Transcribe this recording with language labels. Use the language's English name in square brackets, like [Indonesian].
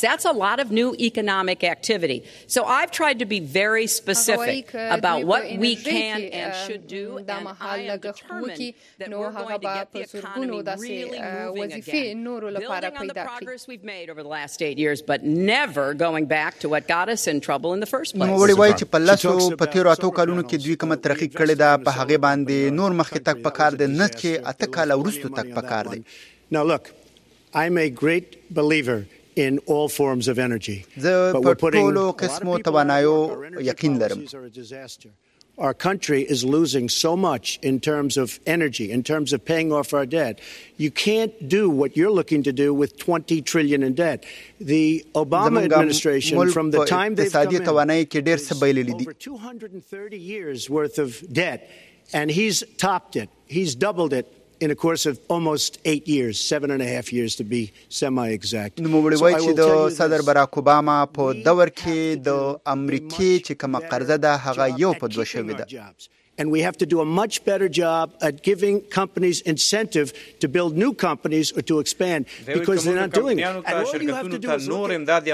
[English] That's a lot of new economic activity. So I've tried to be very specific about what we can and should do. And I am determined that we're going to get the economy really moving again. Building on the progress we've made over the last 8 years, but never going back to what got us in trouble in the first place. [Pashto] نوموړی وایي چې په لسو په تیرو اتو کلونو کې دوی کومه ترقی کړې ده په هغې باندې نور مخکې تک پکار دی نه چې اته کاله وروسته تک پکار دی. [English] I'm a great believer in all forms of energy. But we're putting a lot of people in our energy policies are a disaster. Our country is losing so much in terms of energy, in terms of paying off our debt. You can't do what you're looking to do with $20 trillion in debt. The Obama administration, from the time they've come in, is over 230 years worth of debt. And he's topped it. He's doubled it. In a course of almost 8 years, 7.5 years to be semi-exact. So I will tell you this. [Pashto] صدر بارک اوباما په دور کې د امریکای چې کوم قرضه ده هغه یو په دوه شوې ده. [English] And we have to do a much better job at giving companies incentive to build new companies or to expand because they're not doing it. And all you have to do is look at the